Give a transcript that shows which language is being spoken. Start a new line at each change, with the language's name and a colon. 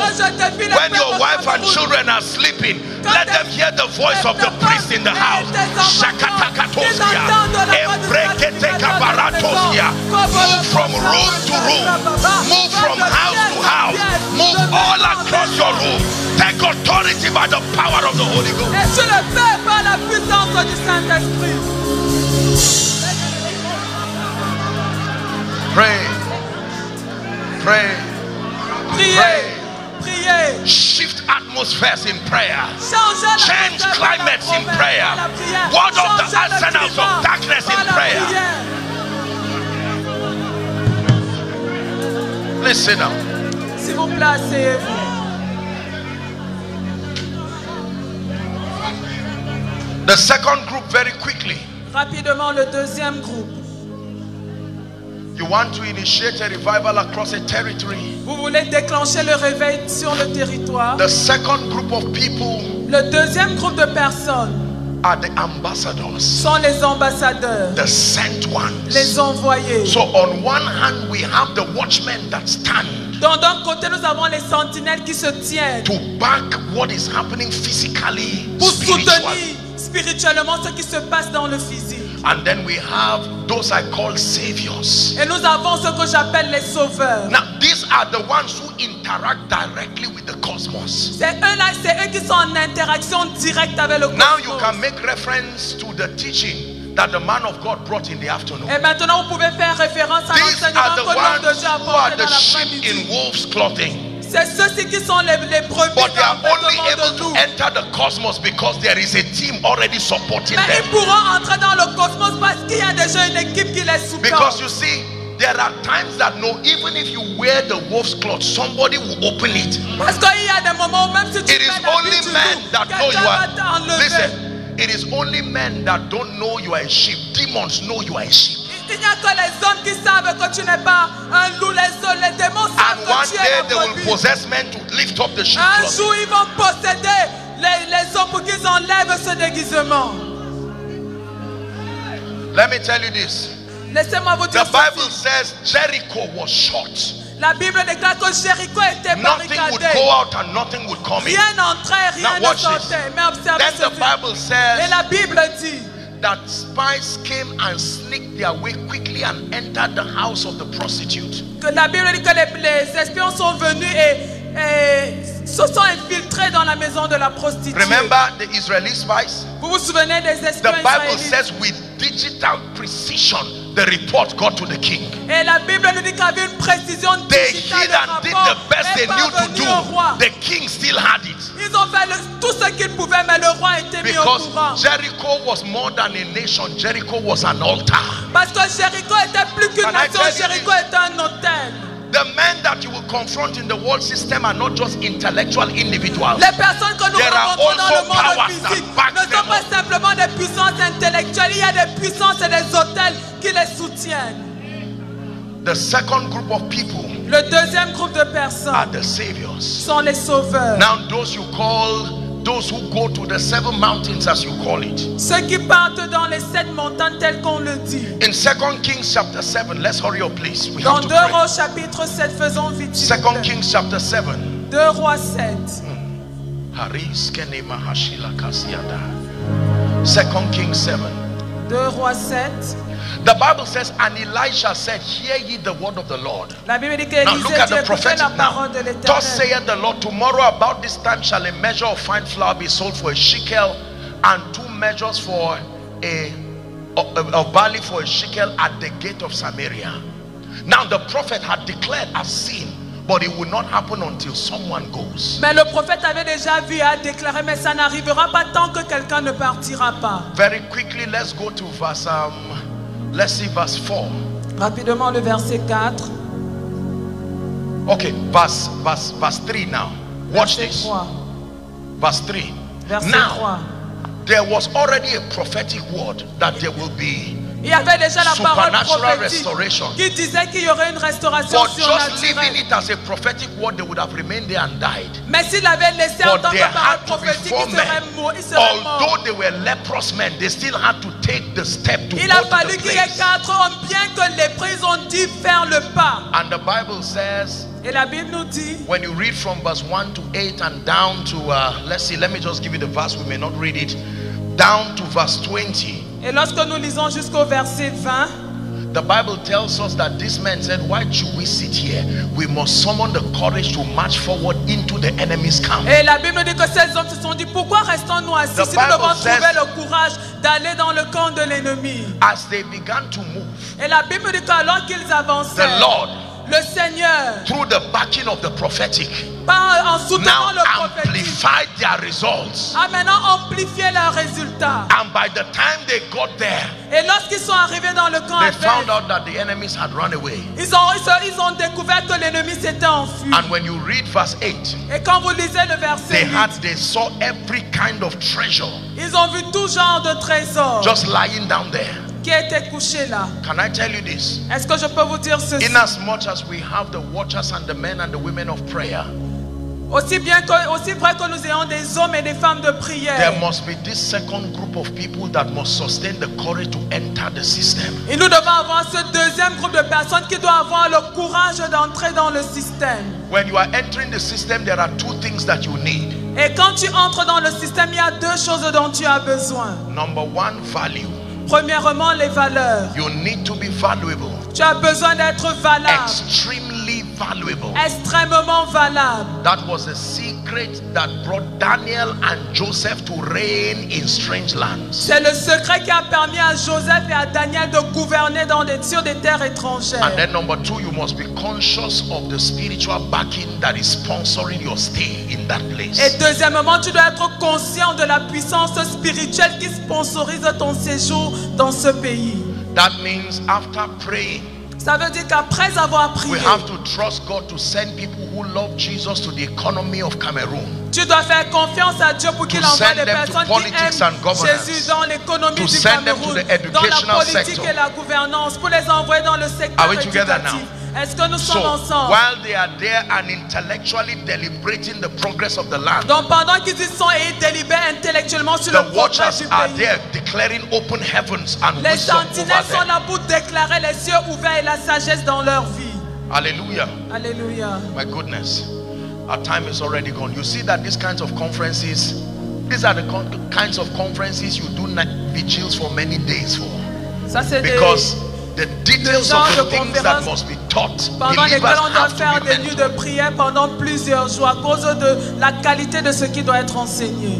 English: When your wife and children are sleeping, let them hear the voice of the priest in the house. Shakatakatosia. Ebreketeka baratosia. Move from room to room. Move from house to house. Move all across your room. Take authority by the power of the Holy Ghost.
French: Et tu le fais par la puissance du Saint-Esprit.
English: Pray. Pray.
French: Priez. Priez.
English: Shift atmospheres in prayer.
French: Changer
English: change climates in prayer. Ward off the arsenals of darkness in prayer. Listen now.
French: S'il vous plaît, asseyez-vous.
English: The second group, very quickly.
French: Rapidement, le deuxième groupe.
English: You want to initiate a revival across a territory.
French: Vous voulez déclencher le réveil sur le territoire.
English: The second group of people.
French: Le deuxième groupe de personnes.
English: Are the ambassadors.
French: Sont les ambassadeurs.
English: The sent ones.
French: Les envoyés.
English: So on one hand we have the watchmen that stand.
French: Donc d'un côté nous avons les sentinelles qui se tiennent.
English: To back what is happening physically.
French: Pour soutenir spirituellement ce qui se passe dans le physique.
English: And then we have those I call saviors.
French: Et nous avons ce que j'appelle les sauveurs.
English: Now these are the ones who interact directly with the cosmos.
French: C'est eux qui sont en interaction directe avec le cosmos.
English: Now you can make reference to the teaching that the man of God brought in the afternoon.
French: Et maintenant vous pouvez faire référence à l'enseignement que l'homme de Dieu a porté dans l'après-midi.
English: These are the ones in wolf's clothing.
French: C'est ceux-ci qui sont les premiers.
English: But they are only able to enter the cosmos because there is a team already supporting
French: mais
English: them.
French: Mais ils pourront entrer dans le cosmos parce qu'il y a déjà une équipe qui les soutient.
English: Because you see, there are times that no, even if you wear the wolf's cloth, somebody will open it.
French: Parce qu'il y a des moments où même si tu
English: it is only men
French: loup,
English: that know you are. Listen, it is only men that don't know you are a sheep. Demons know you are a sheep.
French: Il n'y a que les hommes qui savent que tu n'es pas un loup, les démons savent que tu es la brebis. Un jour, ils vont posséder les hommes pour qu'ils enlèvent ce déguisement.
English: Let me tell you this.
French: Laissez-moi vous dire
English: ceci. The Bible says Jericho was short.
French: La Bible déclare que Jéricho était barricadé.
English: Nothing would go out and nothing would come in.
French: Rien n'entrait, rien ne sortait. Mais observe
English: ce Bible says,
French: et la Bible dit
English: that spies came and sneaked their way quickly and entered the house of the prostitute.
French: Que la Bible dit que les espions sont venus et se sont infiltrés dans la maison de la prostituée.
English: Remember the Israeli spies?
French: Vous vous souvenez des espions
English: israéliens? The Bible says with digital precision the report got to the king.
French: Et la Bible nous dit qu'avec une précision digitale,
English: they hid and did the best they knew to do. The king still had it.
French: Ils ont fait tout ce qu'ils pouvaient, mais le roi était mis au courant.
English: Because Jericho was more than a nation. Jericho was an altar.
French: Parce que Jéricho était plus qu'une nation. Jéricho était un autel.
English: The men that you will confront in the world system are not just intellectual individuals.
French: Les personnes que nous rencontrons dans le monde physique ne sont pas simplement des puissances intellectuelles. Il y a des puissances et des autels qui les soutiennent.
English: The second group of people,
French: le deuxième groupe de personnes,
English: are the saviors.
French: Sont les sauveurs.
English: Now those you call, those who go to the seven mountains, as you call it.
French: Ceux qui partent dans les sept montagnes, tel qu'on le dit.
English: In 2 Kings chapter 7, let's hurry up, please. We
French: dans
English: have to
French: deux rois chapitre 7, faisons vite.
English: 2 Kings chapter 7.
French: Deux rois 7. Haris kene mahashila kasiada.
English: 2 Kings 7.
French: Deux rois 7.
English: The Bible says, and Elisha said, hear ye the word of the Lord.
French: La Bible dit que Élisée,
English: now look at the prophetic now. Thus saith the Lord, tomorrow about this time shall a measure of fine flour be sold for a shekel, and 2 measures for a barley for a shekel at the gate of Samaria. Now the prophet had declared as seen, but it will not happen until someone goes.
French: Mais le prophète avait déjà vu et a déclaré, mais ça n'arrivera pas tant que quelqu'un ne partira pas.
English: Very quickly, let's go to verse... Let's see verse 4.
French: Rapidement le verset 4.
English: Okay, verse 3 now. Watch
French: verset
English: this.
French: 3.
English: Verse 3.
French: Verset
English: now,
French: 3.
English: There was already a prophetic word that there will be
French: il y avait déjà la
English: supernatural restoration.
French: Qui disait qu'il y aurait une restauration
English: but just leaving it as a prophetic word, they would have remained there and died.
French: Mais s'il avait laissé
English: but
French: en tant que parole prophétique, il serait mort.
English: Although
French: mort.
English: They were leprous men, they still had to take the step to
French: il
English: go
French: a fallu
English: to the
French: qu'il
English: place.
French: Y ait 4 hommes, bien que les prêtres ont dit faire le pas.
English: And the Bible says,
French: et la Bible nous dit,
English: when you read from verse 1 to 8 and down to, let's see, let me just give you the verse, we may not read it, down to verse 20.
French: Et lorsque nous lisons jusqu'au verset 20,
English: the Bible tells us that this man said, why should we sit here? We must summon the courage to march forward into the enemy's camp.
French: Et la Bible dit que ces hommes se sont dit, pourquoi restons-nous assis si nous devons trouver le courage d'aller dans le camp de l'ennemi?
English: As they began to move,
French: et la Bible dit qu'alors qu'ils avançaient,
English: the Lord,
French: le Seigneur,
English: through the backing of the prophetic,
French: en
English: now
French: le
English: amplified their results.
French: A maintenant amplifié leurs résultats.
English: And by the time they got there,
French: et lorsqu'ils sont arrivés dans le camp,
English: they found out that the enemies had run away.
French: Ils ont découvert que l'ennemi s'était enfui.
English: And when you read verse 8,
French: et quand vous lisez le verset 8,
English: they saw every kind of treasure.
French: Ils ont vu tout genre de trésors.
English: Just lying down there.
French: Qui était couché là.
English: Can I tell you this?
French: Est-ce que je peux vous dire ceci?
English: In as much as we have the watchers and the men and the women of prayer.
French: Aussi bien que aussi vrai que nous ayons des hommes et des femmes de prière.
English: There must be this second group of people that must sustain the courage to enter the system.
French: Et nous devons avoir ce deuxième groupe de personnes qui doit avoir le courage d'entrer dans le système.
English: When you are entering the system, there are 2 things that you need.
French: Et quand tu entres dans le système, il y a 2 choses dont tu as besoin.
English: Number 1, value.
French: Premièrement, les valeurs.
English: You need to be valuable.
French: Tu as besoin d'être valable.
English: Extremely valuable.
French: Extrêmement valable.
English: That was a secret that brought Daniel and Joseph to reign in strange lands.
French: C'est le secret qui a permis à Joseph et à Daniel de gouverner dans des sur des terres étrangères.
English: And then number 2, you must be conscious of the spiritual backing that is sponsoring your stay in that place.
French: Et deuxièmement, tu dois être conscient de la puissance spirituelle qui sponsorise ton séjour dans ce pays.
English: That means after praying,
French: ça veut dire qu'après avoir prié,
English: we have to trust God to send people who love Jesus to the economy of Cameroon.
French: Tu dois faire confiance à Dieu pour qu'il envoie des personnes qui aiment Jésus dans l'économie du Cameroun, dans la politique
English: sector.
French: Et la gouvernance, pour les envoyer dans le secteur éducatif. Est-ce que nous sommes ensemble?
English: While they are there and intellectually deliberating the progress of the land,
French: donc pendant qu'ils y sont et délibèrent intellectuellement sur le progrès du pays,
English: there declaring open heavens and
French: les sentinelles sont là pour déclarer les cieux ouverts et la sagesse dans leur vie. Hallelujah. Hallelujah.
English: My goodness. Our time is already gone. You see that these kinds of conferences, these are the kinds of conferences you do night vigils for many days for.
French: Ça, c'est
English: because the details of the things that must be taught, believers have to
French: faire
English: be mentored.
French: De prière pendant plusieurs jours à cause de la qualité de ce qui doit être enseigné.